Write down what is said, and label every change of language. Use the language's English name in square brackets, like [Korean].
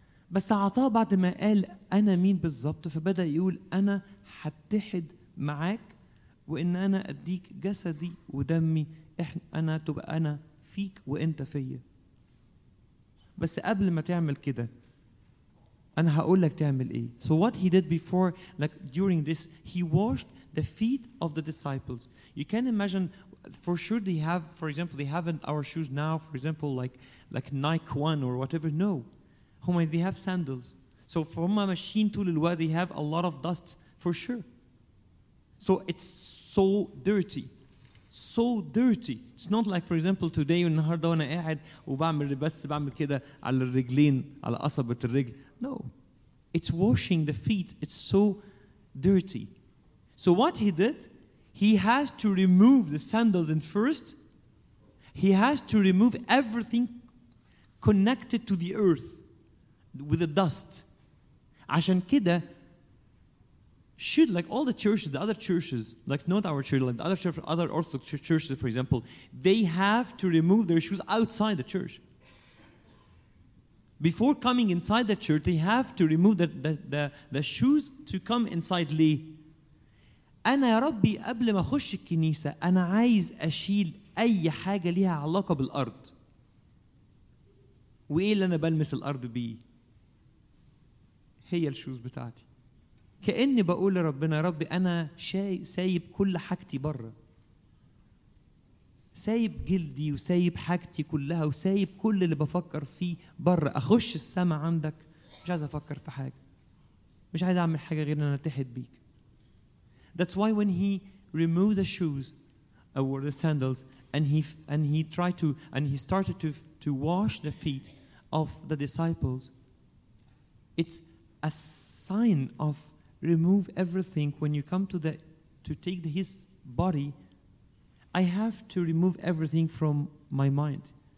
[Arabic] بس عطاه بعد ما قال انا مين بالظبط, فبدأ يقول انا هتحد معاك, وان انا اديك جسدي ودمي, انا تبقى انا فيك وانت فيا. بس قبل ما تعمل كده, انا هقول لك تعمل ايه. [English] So what he did before, like during this, he washed the feet of the disciples. You can imagine, for sure they have, for example, they haven't our shoes now, for example, like Nike One or whatever. No. They have sandals. So from a machine to Lilwa, they have a lot of dust, for sure. So it's so dirty. So dirty. It's not like, for example, today, [Arabic] النهاردة وأنا قاعد وبعمل بس بعمل كده على الرجلين, على قصبة الرجل. [English] No. It's washing the feet. It's so dirty. So what he did, he has to remove the sandals in first. He has to remove everything connected to the earth with the dust. [Arabic] عشان كده, [English] should like all the churches, the other churches, like not our church, like the other church, other Orthodox churches, for example, they have to remove their shoes outside the church. Before coming inside the church, they have to remove the shoes to come inside Lee. [Arabic] أنا يا ربي قبل ما أخش الكنيسة أنا عايز أشيل أي حاجة ليها علاقة بالأرض. وإيه اللي أنا بلمس الأرض بيه؟ هي الشوز بتاعتي. كأني بقول لربنا, يا ربي أنا سايب كل حاجتي برا, سايب جلدي وسايب حاجتي كلها وسايب كل اللي بفكر فيه برا. أخش السماء عندك, مش عايز أفكر في حاجة, مش عايز أعمل حاجة غير أنا أتحد بيك. [English] That's why when he removed the shoes or the sandals and he started to wash the feet of the disciples, it's a sign of remove everything. When you come to take his body, I have to remove everything from my mind.